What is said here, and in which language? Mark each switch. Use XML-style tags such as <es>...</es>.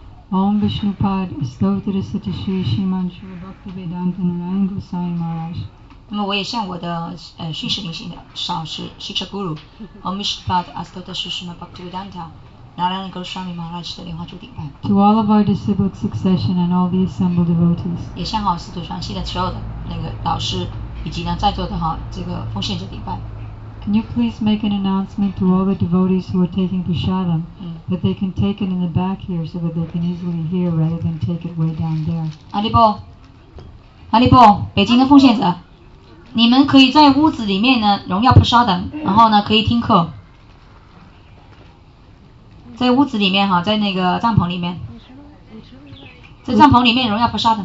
<sa>Om Vishnu Pad, Stotra Sati Shri Shiman Shri Bhakti Vedanta Narayan Gosai Maharaj.</sa> <zh>那么我也向我的训示灵性的上师 Shiksha Guru, Om Vishnu Pad, Stotra Sri Shiman Bhakti Vedanta, Narayan Gosai Maharaj 的莲花主顶拜。</zh> <en>To all of our disciplic succession and all the assembled devotees.</en> <zh>也向好师徒传系的所有的那个导师以及呢在座的好这个奉献者顶拜。</zh> <en>Can you please make an announcement to all the devotees who are taking prasadam、mm. that they can take it in the back here so that they can easily hear rather than take it way down there?</en> <zh>Alibo, Alibo, 北京的奉献者，你们可以在屋子里面呢荣耀prasadam，然后呢可以听课，在屋子里面哈，在那个帐篷里面，在帐篷里面荣耀prasadam。</zh>